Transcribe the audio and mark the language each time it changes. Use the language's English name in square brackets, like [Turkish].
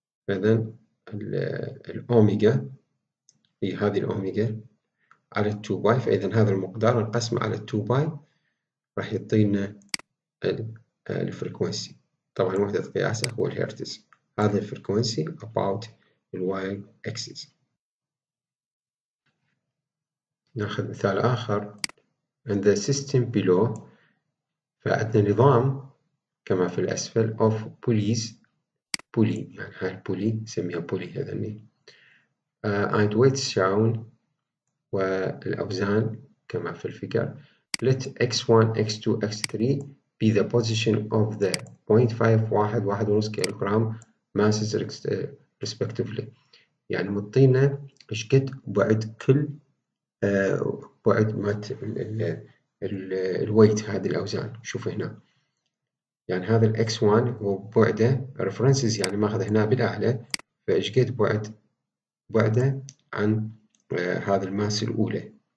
[Arabic] إذا الأوميجا هي هذه الأوميجا على 2 باي، فإذا هذا المقدار نقسمه على 2 باي راح يعطينا الفريكوانسي. طبعا وحدة قياسه هو الهرتز، هذا الفريكوانسي about ال y axis. ناخذ مثال آخر. [English] And the system below، [Arabic] فعندنا نظام كما في الأسفل [English] of pulleys. [Arabic] بولي يعني هاي البولي نسميها بولي هذني. [English] And weights shown، [Arabic] والأوزان كما في الفيجر. [English] Let x1 x2 x3 be the position of the 0.5 [Arabic] واحد واحد ونص كيلوغرام [English] masses respectively. [Arabic] يعني مطينا ايش قد بعد كل بعد ما الويت هذه الاوزان. شوف هنا يعني هذا الـ x1 هو بعده references يعني ماخذ هنا بالاعلى، فايش قد بعده عن هذا الماس الاولى.